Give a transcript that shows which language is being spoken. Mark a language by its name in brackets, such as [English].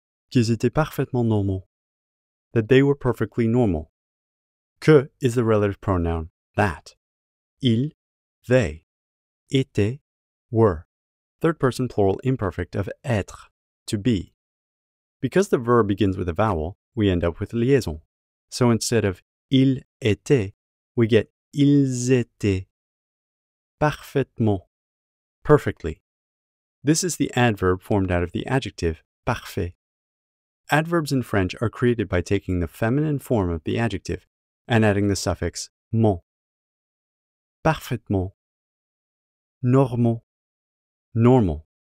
[French] Qu'ils étaient parfaitement normaux. [English] That they were perfectly normal. Que is the relative pronoun that. Ils, they. Étaient, were. Third person plural imperfect of être, to be. Because the verb begins with a vowel, we end up with liaison. So instead of ils étaient, we get ils étaient. Parfaitement. Perfectly. This is the adverb formed out of the adjective parfait. Adverbs in French are created by taking the feminine form of the adjective and adding the suffix "-ment". Parfaitement. Normal. Normal.